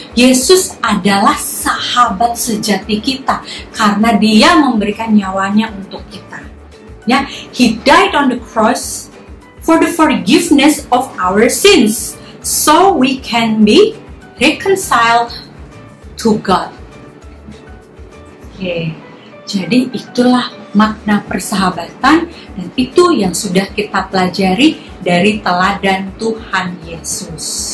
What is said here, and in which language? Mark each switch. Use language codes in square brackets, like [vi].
[id] Yesus adalah sahabat sejati kita karena dia memberikan nyawanya untuk kita. [en] Ya, he died on the cross for the forgiveness of our sins so we can be reconciled to God. [id] Oke. Jadi itulah makna persahabatan dan itu yang sudah kita pelajari dari teladan Tuhan Yesus.